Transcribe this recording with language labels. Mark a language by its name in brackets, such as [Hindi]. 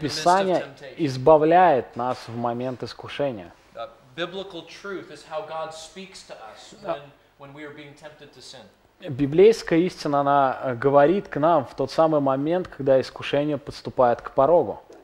[Russian] Писание избавляет нас в момент искушения. [English] Biblical truth is how God speaks to us when we are being tempted to sin. [Russian] Библейская истина, она говорит к нам в тот самый момент, когда искушение подступает к порогу.